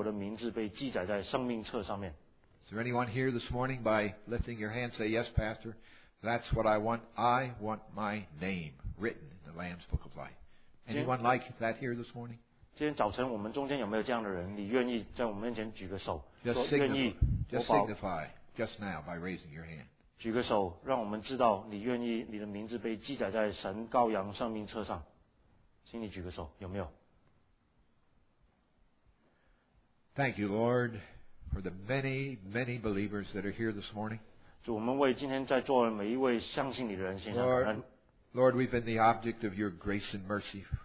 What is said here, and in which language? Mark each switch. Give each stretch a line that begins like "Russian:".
Chinese: 也许你说,是的主,我已经寻求一段时日了,我愿意我的名字被记载在生命册上面。
English: Is there anyone here this morning by lifting your hand say, yes, Pastor, that's what I want. I want my name written in the Lamb's Book of Life. Anyone like that here this morning?
Chinese: 今天早晨我们中间有没有这样的人, 你愿意在我们面前举个手,
English: just signify just now by raising your hand.
Chinese: 举个手, 让我们知道你愿意你的名字被记载在神羔羊生命册上。请你举个手, 有没有?
English: Thank you, Lord, for the many believers that are here this morning.
Chinese: 主,我们为今天在座的每一位相信你的人献上感恩。
English: Lord, we've been the object of your grace and mercy.